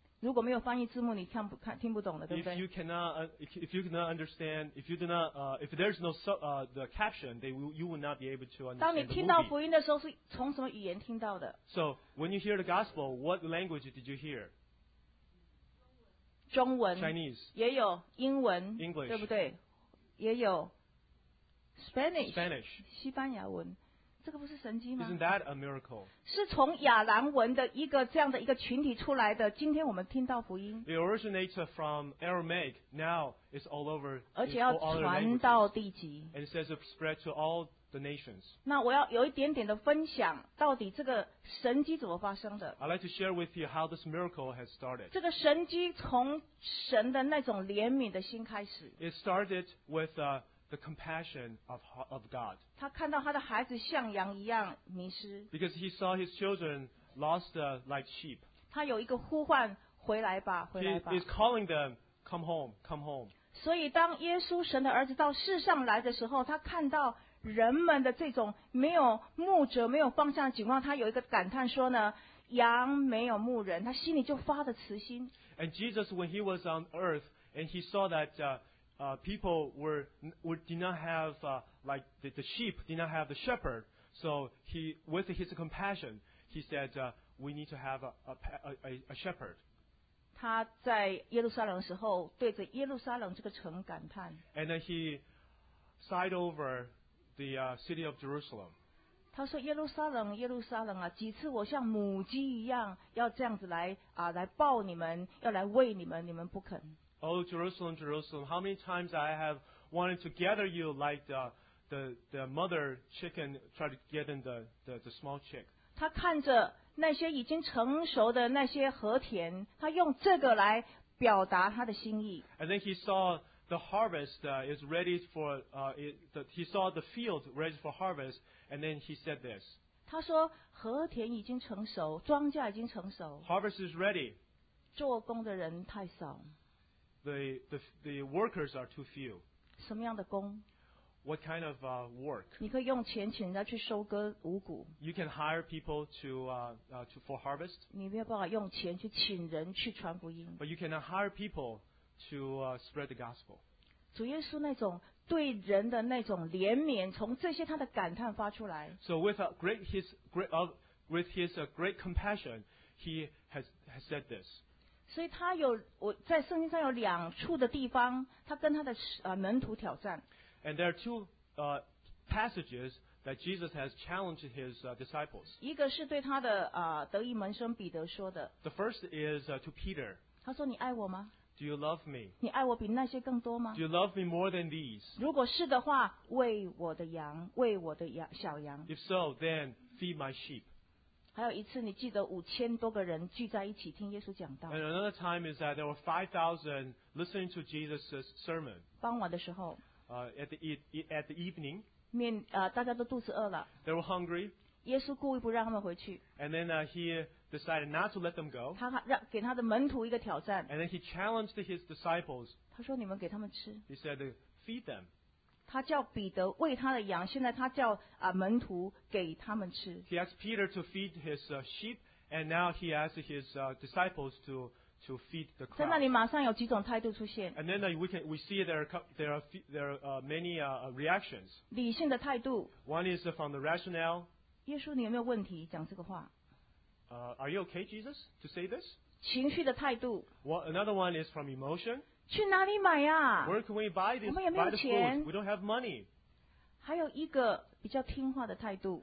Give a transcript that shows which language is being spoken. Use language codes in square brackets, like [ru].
[zh] 如果没有翻译字幕，你看不看听不懂的，对不对？ [en] If you cannot, if you cannot understand, if you do not, if there's no the caption, you will not be able to understand. [zh] 当你听到福音的时候，是从什么语言听到的？ [en] So when you hear the gospel, what language did you hear? [zh] 中文 [en] Chinese [zh] 也有英文 [en] English [zh] 对不对？也有 Spanish [en] Spanish [zh] 西班牙文。这个不是神迹吗？ [en] Isn't that a miracle? [zh] 是从亚兰文的一个这样的一个群体出来的。今天我们听到福音。 [en] It originated from Aramaic. Now it's all over. [zh] 而且要传到地极。 [en] And it says it spread to all the nations. [zh] 那我要有一点点的分享，到底这个神迹怎么发生的 [en] ？I'd like to share with you how this miracle has started. [zh] 这个神迹从神的那种怜悯的心开始。 [en] It started with the compassion of God. [zh] 他看到他的孩子像羊一样迷失。 [en] Because he saw his children lost like sheep. [zh] 他有一个呼唤，回来吧，回来吧。 [en] He is calling them, come home, come home. [zh] 所以当耶稣神的儿子到世上来的时候，他看到人们的这种没有牧者、没有方向的情况，他有一个感叹说呢，羊没有牧人，他心里就发了慈心。 [en] And Jesus, when he was on earth, and he saw that people did not have like the sheep did not have the shepherd. So he with his compassion, he said, "We need to have a shepherd." [zh] 他在耶路撒冷的时候，对着耶路撒冷这个城感叹。 [en] And then he sighed over the city of Jerusalem. [zh] 他说：“耶路撒冷，耶路撒冷啊，几次我像母鸡一样要这样子来啊，来抱你们，要来喂你们，你们不肯。” [en] Oh, Jerusalem, Jerusalem, how many times I have wanted to gather you like the mother chicken tried to get in the small chick. [zh] 他看着那些已经成熟的那些和田，他用这个来表达他的心意。 [en] And then he saw the harvest is ready for he saw the field ready for harvest, and then he said this. [zh] 他说禾田已经成熟，庄稼已经成熟。 [en] Harvest is ready. [zh] 做工的人太少。 [en] The workers are too few. [zh] 什么样的工？ [en] What kind of work? [zh] 你可以用钱请人家去收割五谷。 [en] You can hire people for harvest. [zh] 你没有办法用钱去请人去传福音。 [en] But you can hire people to spread the gospel. [zh] 主耶稣那种对人的那种怜悯，从这些他的感叹发出来。 [en] So with great compassion, he has said this. [zh] 所以他有我在圣经上有两处的地方，他跟他的门徒挑战。 [en] And there are two passages that Jesus has challenged his disciples. [zh] 一个是对他的得意门生彼得说的。 [en] The first is to Peter. [zh] 他说你爱我吗？ [en] Do you love me? [zh] 你爱我比那些更多吗？ [en] Do you love me more than these? [zh] 如果是的话，喂我的羊，喂我的羊，小羊。 [en] If so, then feed my sheep. [zh] 还有一次，你记得五千多个人聚在一起听耶稣讲道。 [en] And another time is that there were 5,000 listening to Jesus' sermon. [zh] 傍晚的时候。 [en] At the evening, [zh] 大家都肚子饿了。 [en] They were hungry. [zh] 耶稣故意不让他们回去。 [en] And then he decided not to let them go. [zh] 他给他的门徒一个挑战。 [en] And then he challenged his disciples. [zh] 他说你们给他们吃。 [en] He said feed them. [zh] 他叫彼得喂他的羊，现在他叫门徒给他们吃。 [en] He asked Peter to feed his sheep, and now he asked his disciples to. To feed the crowd. [zh] 在那里马上有几种态度出现。 [en] And then we see there are many reactions. [zh] 理性的态度。 [en] One is from the rationale. [zh] 耶稣，你有没有问题讲这个话？ [en] Are you okay, Jesus, to say this? [zh] 情绪的态度。 [en] Well, another one is from emotion. [zh] 去哪里买呀？ [en] Where can we buy this? [zh] 我们也没有钱。 [en] We don't have money. [zh] 还有一个比较听话的态度。